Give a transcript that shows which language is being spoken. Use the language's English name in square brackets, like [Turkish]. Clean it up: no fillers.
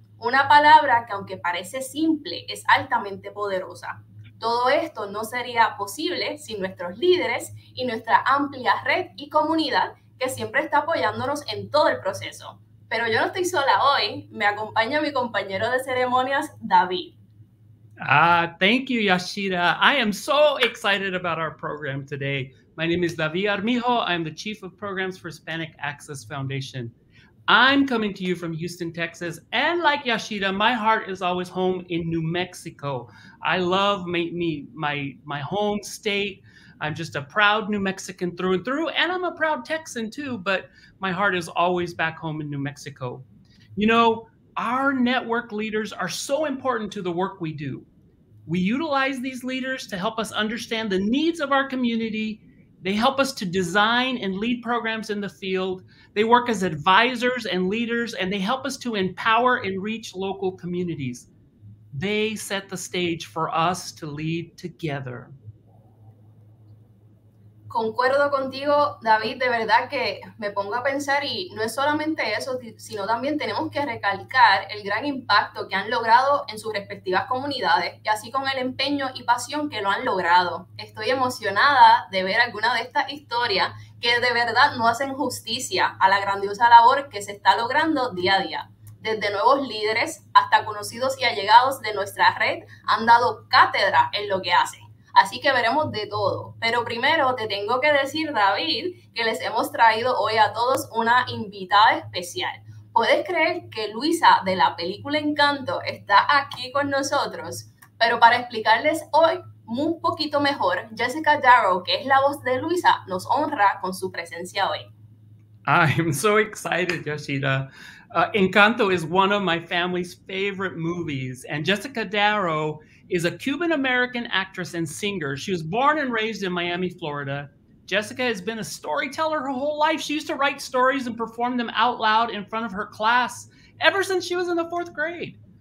[Spanish] Una palabra que aunque parece simple, es altamente poderosa. Todo esto no sería posible sin nuestros líderes y nuestra amplia red y comunidad que siempre está apoyándonos en todo el proceso. Pero yo no estoy sola hoy, me acompaña mi compañero de ceremonias, David. [English] Thank you, Yashira. I am so excited about our program today. My name is David Armijo. I'm the Chief of Programs for Hispanic Access Foundation. I'm coming to you from Houston, Texas. And like Yashira, my heart is always home in New Mexico. I love my home state. I'm just a proud New Mexican through and through, and I'm a proud Texan too, but my heart is always back home in New Mexico. You know, our network leaders are so important to the work we do. We utilize these leaders to help us understand the needs of our community. They help us to design and lead programs in the field. They work as advisors and leaders, and they help us to empower and reach local communities. They set the stage for us to lead together. [Spanish] Concuerdo contigo, David, de verdad que me pongo a pensar y no es solamente eso, sino también tenemos que recalcar el gran impacto que han logrado en sus respectivas comunidades y así con el empeño y pasión que lo han logrado. Estoy emocionada de ver alguna de estas historias que de verdad no hacen justicia a la grandiosa labor que se está logrando día a día. Desde nuevos líderes hasta conocidos y allegados de nuestra red han dado cátedra en lo que hacen. Así que veremos de todo. Pero primero te tengo que decir, David, que les hemos traído hoy a todos una invitada especial. ¿Puedes creer que Luisa de la película Encanto está aquí con nosotros? Pero para explicarles hoy un poquito mejor, Jessica Darrow, que es la voz de Luisa, nos honra con su presencia hoy. [English] I'm so excited, Yashira. Encanto is one of my family's favorite movies, and Jessica Darrow is a Cuban-American actress and singer. She was born and raised in Miami, Florida. Jessica has been a storyteller her whole life. She used to write stories and perform them out loud in front of her class ever since she was in the fourth grade.